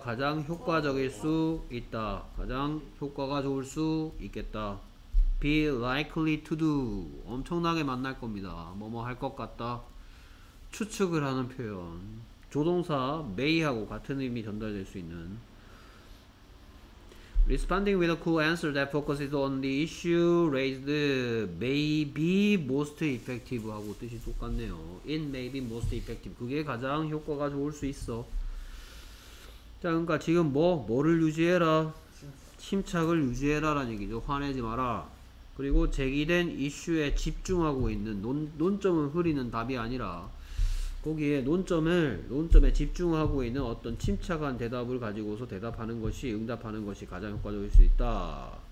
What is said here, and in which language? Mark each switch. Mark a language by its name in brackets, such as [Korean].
[Korean] 가장 효과적일 수 있다. 가장 효과가 좋을 수 있겠다. [English] be likely to do [Korean] 엄청나게 만날 겁니다. 뭐뭐 할 것 같다. 추측을 하는 표현 조동사 may하고 같은 의미 전달될 수 있는 [English] Responding with a cool answer that focuses on the issue raised may be most effective [Korean] 하고 뜻이 똑같네요. [English] It may be most effective. [Korean] 그게 가장 효과가 좋을 수 있어. 자, 그러니까 지금 뭐를 유지해라? 침착을 유지해라 라는 얘기죠. 화내지 마라. 그리고 제기된 이슈에 집중하고 있는 논점을 흐리는 답이 아니라 거기에 논점에 집중하고 있는 어떤 침착한 대답을 가지고서 대답하는 것이, 응답하는 것이 가장 효과적일 수 있다.